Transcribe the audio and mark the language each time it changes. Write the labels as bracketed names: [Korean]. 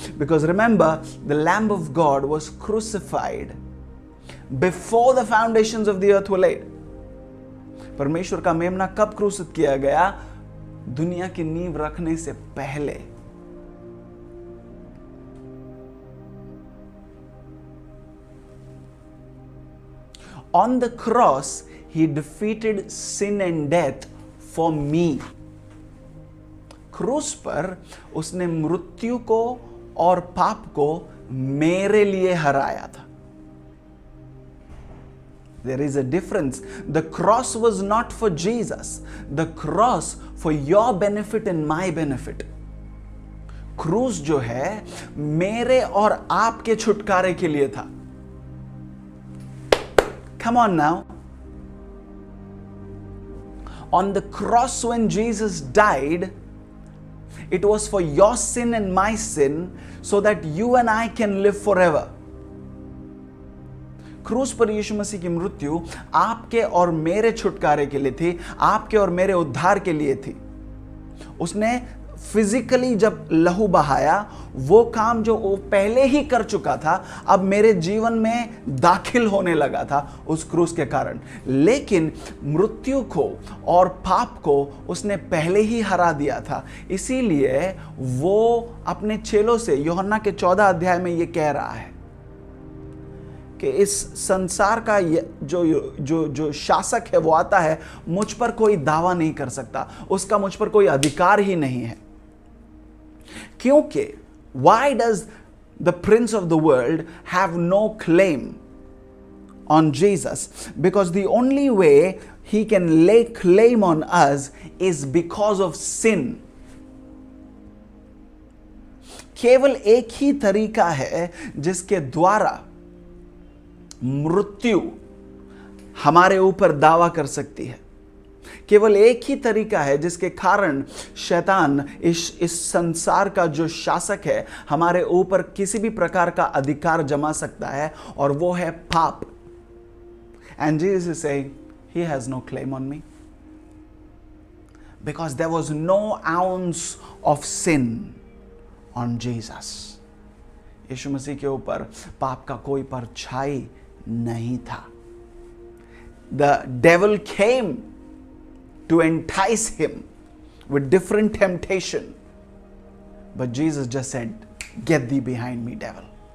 [English] Because remember, the Lamb of God was crucified before the foundations of the earth were laid. [Hindi] परमेश्वर का मेमना कब क्रूसित किया गया? दुनिया की नींव रखने से पहले. [English] On the cross, he defeated sin and death for me. [Hindi] क्रूस पर उसने मृत्यु को और पाप को मेरे लिए हराया था. [English] There is a difference. The cross was not for Jesus. The cross for your benefit and my benefit. [Hindi] क्रूस जो है मेरे और आपके छुटकारे के लिए था. [English] Come on now. On the cross when Jesus died, it was for your sin and my sin so that you and I can live forever. [Hindi] क्रूस पर यीशु मसीह की मृत्यु आपके और मेरे छुटकारे के लिए थी, आपके और मेरे उद्धार के लिए थी. उसने फिजिकली जब लहू बहाया, वो काम जो वो पहले ही कर चुका था, अब मेरे जीवन में दाखिल होने लगा था उस क्रूस के कारण. लेकिन मृत्यु को और पाप को उसने पहले ही हरा दिया था. इसीलिए वो अपने चेलों से यूहन्ना के 14 अध्याय में ये कह रहा है कि इस संसार का जो जो जो शासक है वो आता है, मुझ पर कोई दावा नहीं कर सकता, उसका मुझ पर कोई अधिकार ही नहीं है. क्योंकि [English] why does the prince of the world have no claim on Jesus? Because the only way he can lay claim on us is because of sin. [Hindi] केवल एक ही तरीका है जिसके द्वारा मृत्यु हमारे ऊपर दावा कर सकती है. केवल एक ही तरीका है जिसके कारण शैतान इस संसार का जो शासक है हमारे ऊपर किसी भी प्रकार का अधिकार जमा सकता है, और वो है पाप. [English] And Jesus is saying he has no claim on me because there was no ounce of sin on Jesus. [Hindi] यीशु मसीह के ऊपर पाप का कोई परछाई नहीं था. [English] The devil came to entice him with different temptation. But Jesus just said, get thee behind me, devil.